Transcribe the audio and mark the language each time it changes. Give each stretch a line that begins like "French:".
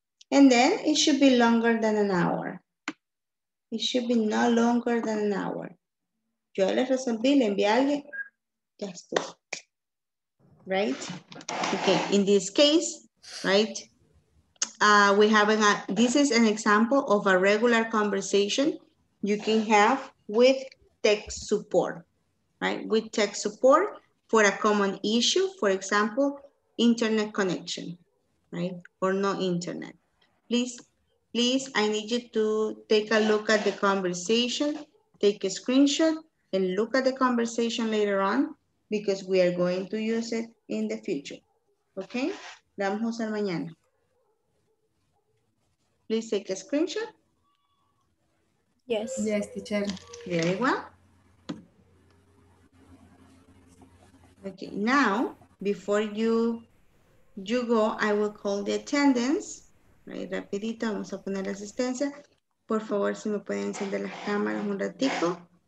English: And then it should be longer than an hour. It should be no longer than an hour.
Spanish: Yo le resolví, le envié a alguien, ya estuvo, right?
English: Okay, in this case, right, we have this is an example of a regular conversation you can have with tech support, right? With tech support for a common issue, for example, internet connection, right? Or no internet. Please, I need you to take a look at the conversation, take a screenshot, and look at the conversation later on because we are going to use it in the future.
Spanish: Okay? La vamos a usar mañana.
English: Please take a screenshot. Yes. Yes, teacher. Very well. Okay, now, before you go, I will call the attendance.
Spanish: Right, rapidito, vamos a poner la asistencia. Por favor, si me pueden encender las cámaras un ratito.